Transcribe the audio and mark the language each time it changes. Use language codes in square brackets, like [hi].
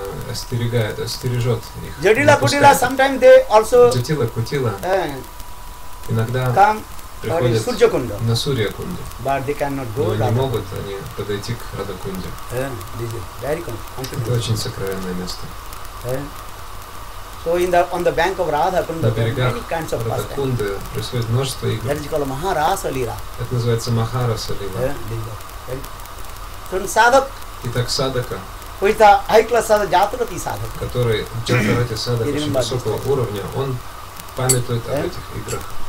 [ru] Остерегает, остережет их. [en] Jyotila Kutila, sometimes they also. [ru] Jyotila Kutila. Иногда. Там. Приходят. На Сурья Кунду. [en] But they cannot go. [ru] Но не могут они подойти к Радха Кунде. [en] This is very confidential. [ru] Это очень сокровенное место. [en] So in the on the bank of Radha Kunda, many kinds of pastimes. [ru] На берегах Радха Кунды происходит множество игр. [en] That is called Maharasa Lila. [ru] Это называется Махараса Лила. [en] So in Sadak. [ru] Итак, Садака. [en] Who is the high class Sadak? Jatrati Sadak. [ru] Который Джатарати Садак очень высокого уровня. Он памятует об этих играх.